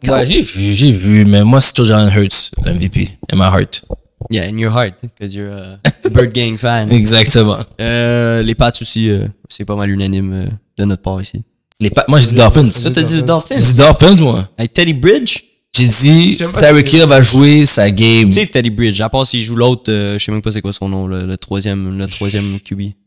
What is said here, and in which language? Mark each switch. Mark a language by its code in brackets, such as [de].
[fr] Ouais, j'ai vu, mais moi, c'est toujours Jalen Hurts, l'MVP, [en] in my heart. Yeah, in your heart, because you're a Bird Gang fan. [fr] Exactement. Les Pats aussi, c'est pas mal unanime de notre part ici. Les Pats, moi, j'ai dit Dolphins. Ça, t'as dit Dolphins? J'ai dit Dolphins, moi. Avec Teddy Bridge? J'ai dit, Tyreek Hill va jouer sa game. Tu sais, Teddy Bridge, à part s'il joue l'autre, je sais même pas c'est quoi son nom, le troisième QB.